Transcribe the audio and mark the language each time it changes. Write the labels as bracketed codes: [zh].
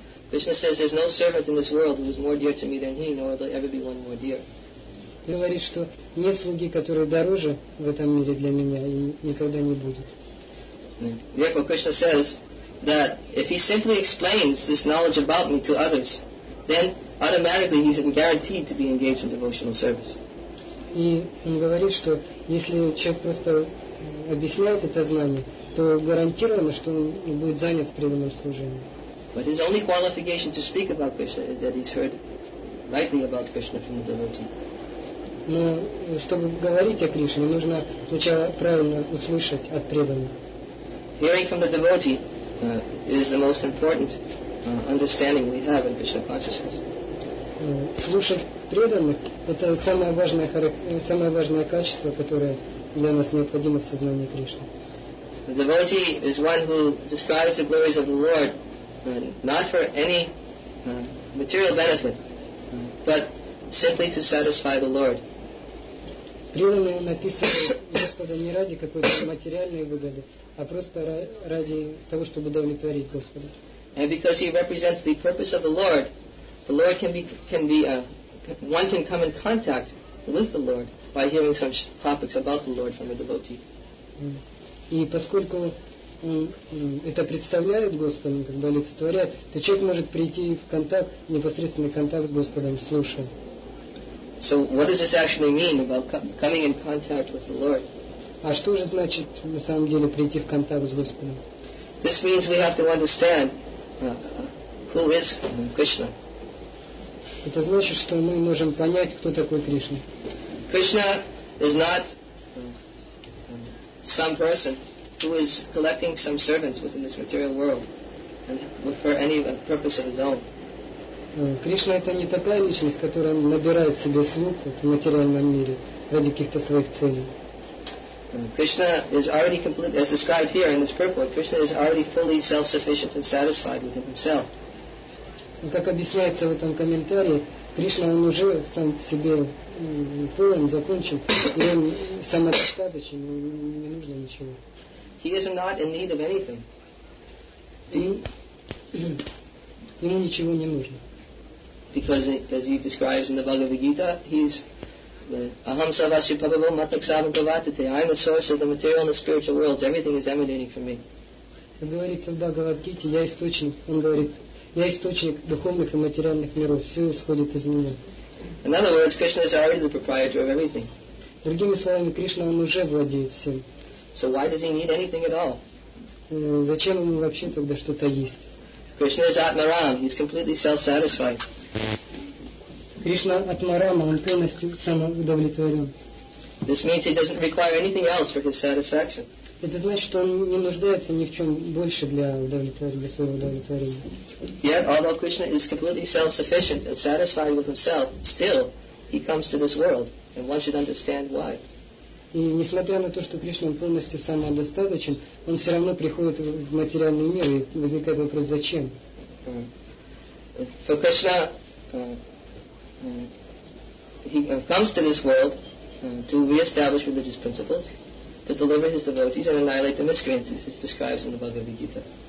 [en] Krishna says, there's no servant in this world who is more dear to me than he, nor will there ever be one more dear. [ru] Говорит, что нет слуги, которые дороже в этом мире для меня, и никогда не будет. [en] Therefore, Krishna says, that if he simply explains this knowledge about me to others, then automatically he's guaranteed to be engaged in devotional service. [ru] И он говорит, что если человек просто объясняет это знание, то гарантированно, что он будет занят в преданном служении. [en] But his only qualification to speak about Krishna is that he's heard rightly about Krishna from the devotee. [ru] Но чтобы говорить о Кришне, нужно сначала правильно услышать от преданного. [en] Hearing from the devotee is the most important understanding we have in Krishna consciousness. [ru] Слушать преданных – это самое важное качество, которое для нас необходимо в сознании Кришны. [en] The devotee is one who describes the glories of the Lord not for any material benefit, but simply to satisfy the Lord. [ru] Преданный написан Господа не ради какой-то материальной выгоды, а просто ради того, чтобы удовлетворить Господа. [en] And because he represents the purpose of the Lord can be one can come in contact with the Lord by hearing some topics about the Lord from a devotee. [ru] И поскольку это представляет Господа, как бы олицетворяет, то человек может прийти в контакт, непосредственный контакт с Господом, слушая. [en] So what does this actually mean about coming in contact with the Lord? [ru] А что же значит на самом деле прийти в контакт с Господом? [en] This means we have to understand who is Krishna. [ru] Это значит, что мы можем понять, кто такой Кришна. [en] Krishna is not some person who is collecting some servants within this material world and for any purpose of his own. [ru] Кришна это не такая личность, которая набирает себе слуг в материальном мире ради каких-то своих целей. [en] Krishna is already complete, as described here in this purport. Krishna is already fully self-sufficient and satisfied within himself. [ru] Как объясняется в этом комментарии, Кришна он уже сам себе полон, закончен, и он самодостаточен, ему не нужно ничего. [en] He is not in need of anything. [ru] Ему ничего не нужно. [en] Because, as he describes in the Bhagavad Gita, he's [sa] aham savasya bhagavo mataksavam gavatate. [en] I am the source of the material and the spiritual worlds. Everything is emanating from me. [ru] Как говорится в Бхагавад Гите, я источник, он говорит, я источник духовных и материальных миров. Все исходит из меня. [en] In other words, Krishna is already the proprietor of everything. [ru] Другими словами, Кришна, он уже владеет всем. [en] So why does he need anything at all? [ru] Зачем ему вообще тогда что-то есть? [en] Krishna is Atmaram. He's completely self-satisfied. [ru] Кришна Атмарама, он полностью самоудовлетворен. [en] This means he doesn't require anything else for his satisfaction. [ru] Это значит, что он не нуждается ни в чем больше для своего удовлетворения. [en] Yet, although Krishna is completely self-sufficient and satisfied with himself, still he comes to this world, and one should understand why. [ru] И несмотря на то, что Кришна полностью самодостаточен, он все равно приходит в материальный мир и возникает вопрос, зачем? [en] For Krishna, he comes to this world to re-establish religious principles, to deliver his devotees and annihilate the miscreants, as it describes in the Bhagavad Gita.